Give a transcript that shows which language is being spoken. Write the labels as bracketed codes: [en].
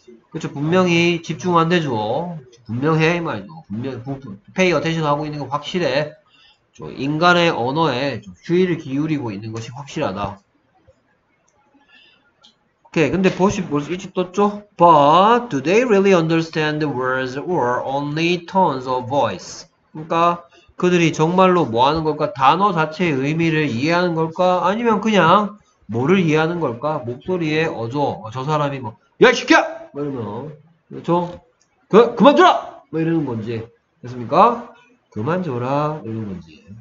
[ko] 그렇죠. 분명히 집중 안 되죠. 분명해, 이 말이죠. 분명히 [en] pay attention [ko] 하고 있는 거 확실해. 인간의 언어에 주의를 기울이고 있는 것이 확실하다. 오케이, 근데 보시 볼수 있지 떴죠? [en] But do they really understand words or only tones of voice? [ko] 그러니까 그들이 정말로 뭐 하는 걸까? 단어 자체의 의미를 이해하는 걸까? 아니면 그냥 뭐를 이해하는 걸까? 목소리에 어조. 저 사람이 뭐야 시켜! 이러면 그렇죠? 그만 들어! 뭐 이러는 건지. 됐습니까? 그만 줘라. 이러는 건지.